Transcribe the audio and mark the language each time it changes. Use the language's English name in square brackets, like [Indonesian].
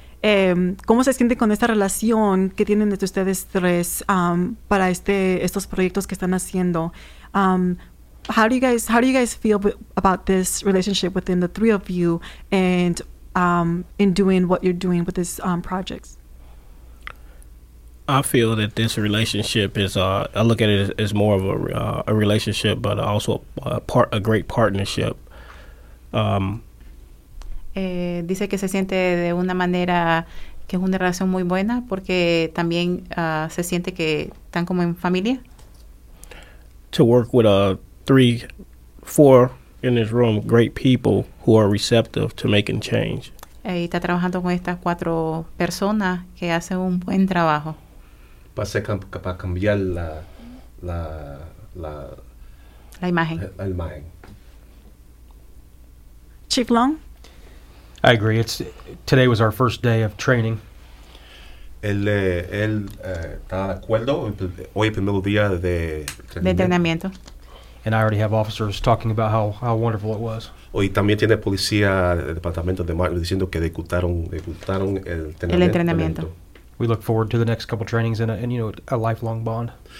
[Spanish] ¿Cómo se siente con esta relación que tienen entre ustedes tres para estos proyectos que están haciendo? [English] How do you guys feel about this relationship within the three of you and in doing what you're doing with these projects? I feel that this relationship is, I look at it as more of a relationship, but also a great partnership. [Spanish] Dice que se siente de una manera que es una relación muy buena, porque también se siente que están como en familia. [English] To work with four in this room, great people who are receptive to making change. [Spanish] Y está trabajando con estas cuatro personas que hacen un buen trabajo. Para cambiar la imagen. La imagen. [English] Chief Long? I agree. Today was our first day of training. [Spanish] Él está de acuerdo. Hoy es el primer día de entrenamiento. [English] And I already have officers talking about how wonderful it was. [Spanish] Hoy también tiene policía del departamento de Martin diciendo que disfrutaron el entrenamiento. [English] We look forward to the next couple trainings and a lifelong bond.